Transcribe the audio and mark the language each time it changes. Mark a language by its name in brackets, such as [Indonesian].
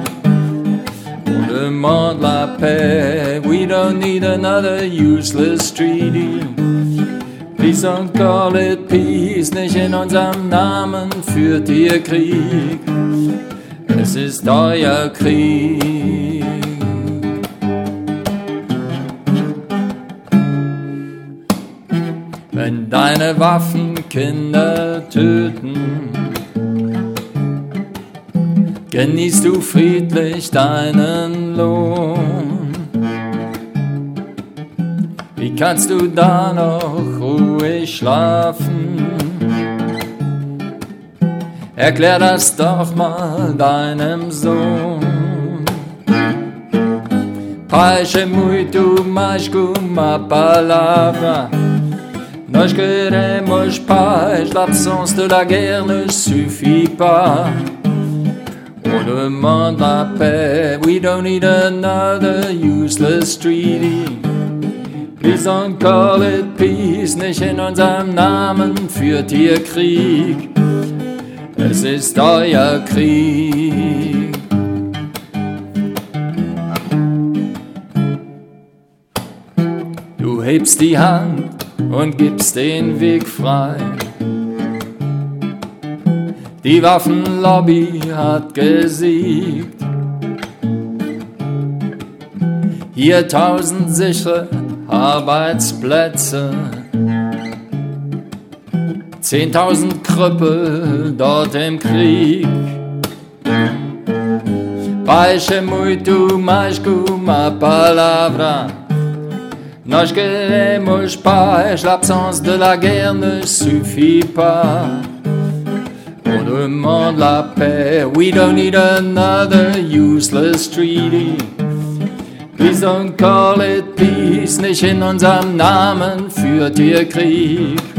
[French] On demande la paix, [English] we don't need another useless treaty. Please don't call it peace, [German] nicht in unserem Namen führt ihr Krieg. Es ist euer Krieg. Wenn deine Waffen Kinder töten, genießt du friedlich deinen Lohn. Wie kannst du da noch ruhig schlafen? Erklär das doch mal deinem Sohn. [Portuguese] Paz é muito mais que uma palavra. Nós queremos paz, [French] l'absence de la guerre ne suffit pas. On demande la paix, [English] we don't need another useless treaty. Please don't call it peace, [German] nicht in unserem Namen führt ihr Krieg. Es ist euer Krieg. Du hebst die Hand und gibst den Weg frei. Die Waffenlobby hat gesiegt. Hier 1000 sichere Arbeitsplätze. 10.000 Krüppel dort im Krieg. [Portuguese] Paz é muito mais que uma palavra. Nós queremos paz, [French] l'absence de la guerre ne suffit pas. On demande la paix, [English] we don't need another useless treaty. Please don't call it peace, [German] nicht in unserem Namen führt ihr Krieg.